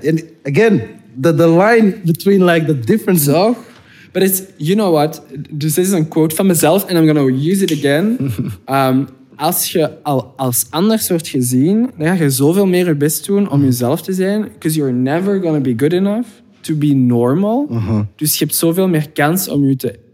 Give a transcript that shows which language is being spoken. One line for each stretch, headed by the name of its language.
English: And again, the line between like the difference. So, but it's, you know what?
Dutch: Dus dit is een quote van mezelf
English: and I'm gonna use it again.
Dutch: Als je al als anders wordt gezien, dan ga je zoveel meer je best doen om jezelf te zijn.
English: Because you're never gonna be good enough to be normal. Uh-huh.
Dutch: Dus je hebt zoveel meer kans om je te